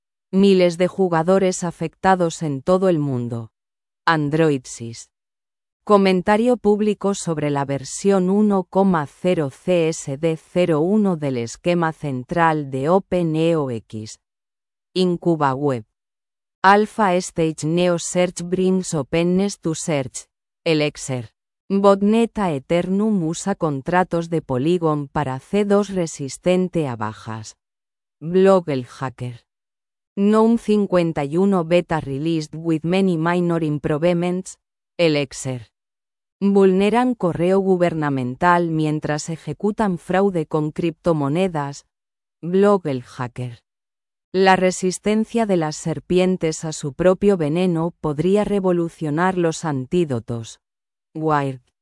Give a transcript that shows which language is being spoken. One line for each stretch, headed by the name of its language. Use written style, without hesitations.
Spanish: Miles de jugadores afectados en todo el mundo. Android SIS. Comentario público sobre la versión 1.0 CSD01 del esquema central de OpenEOX. IncubaWeb.
English: Alpha Stage Neo Search brings openness to search. Elixir.
Spanish: Botneta Eternum usa contratos de Polygon para C2 resistente a bajas.
English: Blog El Hacker. GNOME 51 beta released with many minor improvements. Elixir.
Spanish: Vulneran correo gubernamental mientras ejecutan fraude con criptomonedas. Blog El Hacker. La resistencia de las serpientes a su propio veneno podría revolucionar los antídotos. Wired.